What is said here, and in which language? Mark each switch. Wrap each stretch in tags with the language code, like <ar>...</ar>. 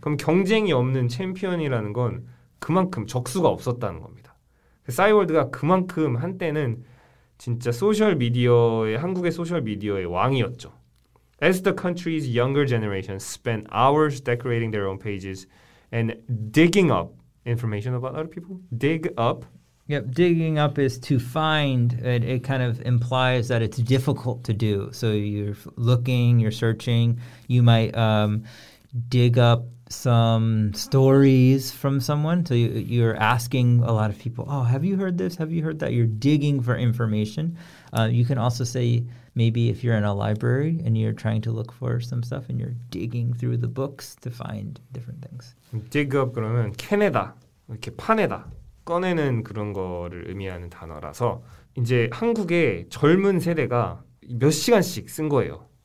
<ko>그럼 경쟁이 없는 챔피언이라는 건 그만큼 적수가 없었다는 겁니다. 싸이월드가 그만큼 한때는 진짜 소셜미디어의, 한국의 소셜미디어의 왕이었죠.</ko> <en>As the country's younger generation spent hours decorating their own pages and digging up information about other people? Dig up? Yep, digging up is to find. It kind of implies that it's difficult to do. So you're looking, you're searching. You might dig up some stories from someone. So you're asking a lot of people, oh, have you heard this? Have you heard that? You're digging for information. You can also say, maybe if you're in a library and you're trying to look for some stuff and you're digging through the books to find different things.</en> <ko>Dig up 그러면 캐내다, 이렇게 파내다, 꺼내는 그런 거를 의미하는 단어라서 이제 한국의 젊은 세대가 몇 시간씩 쓴 거예요.</ko>